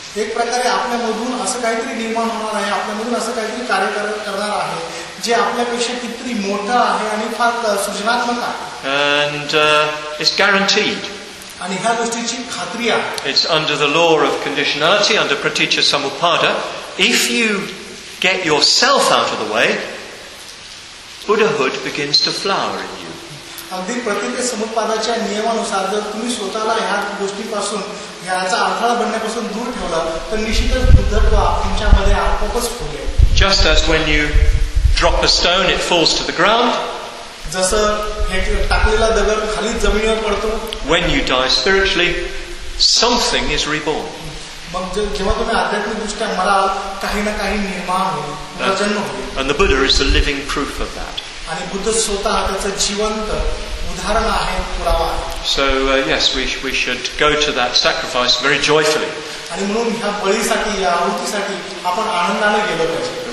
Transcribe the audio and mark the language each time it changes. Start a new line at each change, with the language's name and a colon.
Marathi: एक प्रकारे आपल्यामधून असं काहीतरी निर्माण होणार आहे, आपल्यामधून असं काहीतरी कार्य करणार आहे जे आपल्यापेक्षा कितीतरी मोठं आहे आणि फार सृजनात्मक आहे.
English: And it's guaranteed.
Marathi: आणि ह्या गोष्टीची खात्री आहे.
English: It's under the law of conditionality, under Pratitya Samuppada. If you get yourself out of the way, Buddhahood begins to flower in you.
Marathi: अगदी प्रतिज्ञा समुपादाच्या नियमानुसार जर तुम्ही स्वतःला ह्या गोष्टीपासून याचा अडथळा बनण्यापासून दूर ठेवला तर निश्चितच बुद्धत्व तुमच्यामध्ये आपोआपच फुले.
English: Just as when you drop a stone, it falls to the ground.
Marathi: जसं हे टाकलेला दगड खाली जमिनीवर पडतो.
English: When you die spiritually, something is reborn.
Marathi: मग जेव्हा तुम्ही आध्यात्मिक दृष्ट्या मराल काही ना काही निर्माण होईल, जन्म होईल.
English: And the Buddha is the living proof of that.
Marathi: आणि बुद्ध स्वतः त्याचं जिवंत उदाहरण आहे, पुरावा आहे.
English: So yes, we should go to that sacrifice very joyfully.
Marathi: आणि म्हणून ह्या बळीसाठी या आहुतीसाठी आपण आनंदाने गेलो पाहिजे.